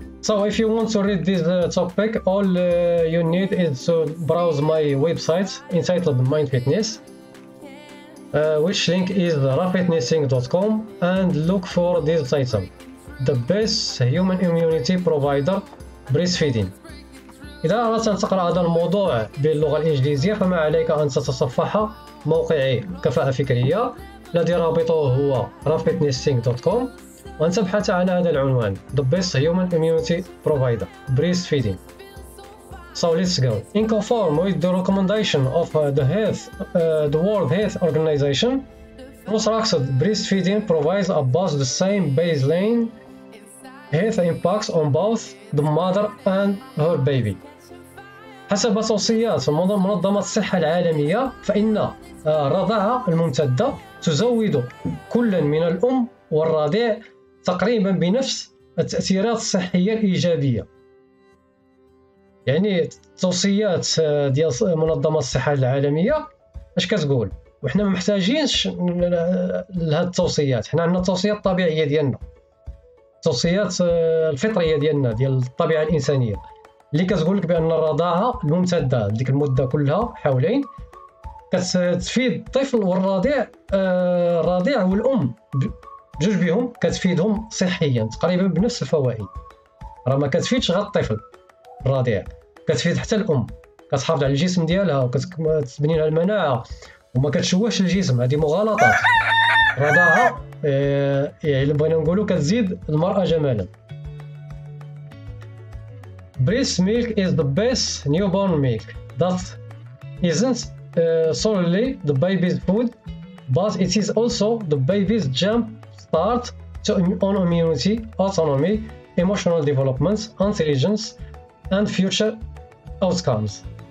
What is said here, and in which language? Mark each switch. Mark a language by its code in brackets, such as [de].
[en] So if you want to read this topic, all you need is to browse my website entitled Mind Fitness, which link is rafitnessing.com, and look for this title, The Best Human Immunity Provider Breastfeeding. [ar] إذا أردت أن تقرأ هذا الموضوع باللغة الإنجليزية فما عليك أن تتصفح موقعي كفاءة فكرية الذي رابطه هو rafitnessing.com, وأن تبحث على هذا العنوان The Best Human Immunity Provider Breastfeeding. [en] So let's go. In conform with the recommendation of the World Health Organization, Rosraxxed breastfeeding provides about the same baseline health impacts on both the mother and her baby. [ar] حسب توصيات منظمة الصحة العالمية فإن الرضاعة الممتدة تزود كل من الأم والرضع تقريبا بنفس التأثيرات الصحية الإيجابية. يعني توصيات ديال منظمة الصحة العالمية اش كتقول, وحنا ما محتاجينش لهاد التوصيات, حنا عندنا التوصيات الطبيعية ديالنا, التوصيات الفطرية ديالنا ديال الطبيعة الإنسانية اللي كتقول لك بأن الرضاعة الممتدة ديك المدة كلها حولين كتفيد الطفل والرضع, الرضع والأم جوج بهم كتفيدهم صحيا تقريبا بنفس الفوائد. راه ما كتفيدش غير الطفل الرضيع, كتفيد حتى الام, كتحافظ على الجسم ديالها وكتبني لها المناعه وما كتشوهش الجسم. هذه مغالطات رضاعه, يعني اللي بغينا نقولوا كتزيد المراه جمالا. [en] Breast milk is the best newborn milk that isn't solely the baby's food, but it is also the baby's jump start to own immunity, autonomy, emotional developments, intelligence, and future outcomes.